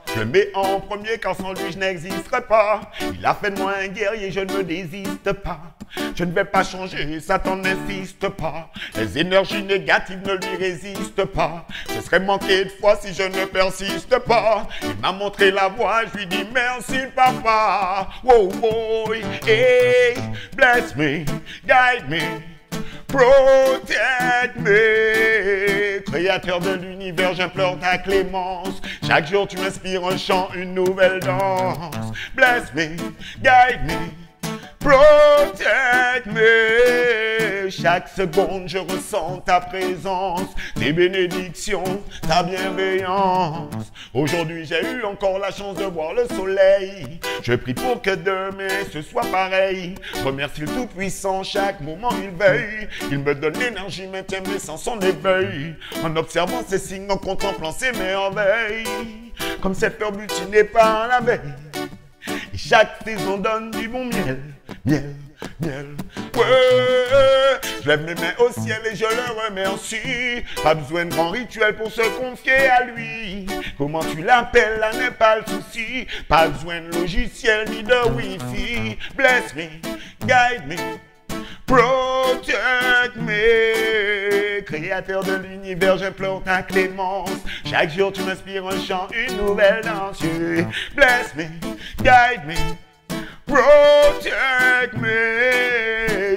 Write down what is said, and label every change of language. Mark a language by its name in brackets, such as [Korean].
[French] Je le mets en premier car sans lui je n'existerai pas. Il a fait de moi un guerrier, je ne désiste pas. Je ne vais pas changer, Satan n'insiste pas. Les énergies négatives ne lui résistent pas. Ce serait manquer de foi si je ne persiste pas. Il m'a montré la voie, je lui dis merci papa. [English] Wow, boy, hey, bless me, guide me. Protect me, [French] créateur de l'univers, j'implore ta clémence. Chaque jour tu m'inspires un chant, une nouvelle danse. [English] Bless me, guide me, protect me. [French] Chaque seconde je ressens ta présence, tes bénédictions, ta bienveillance. Aujourd'hui j'ai eu encore la chance de voir le soleil. Je prie pour que demain ce soit pareil. Remercie le Tout-Puissant, chaque moment il veille. Il me donne l'énergie, maintient mes sens en éveil. En observant ses signes, en contemplant ses merveilles. Comme cette fleur butinée par la veille. Et chaque saison donne du bon miel, miel, miel. Ouais. Je lève mes mains au ciel et je le remercie. Pas besoin de grand rituel pour se confier à lui. Comment tu l'appelles, là n'est pas le souci. Pas besoin de logiciel ni de wifi. [English] Bless me, guide me, protect me. [French] Créateur de l'univers, j'implore ta clémence. Chaque jour tu m'inspires un chant, une nouvelle danse. [English] Bless me, guide me, protect me.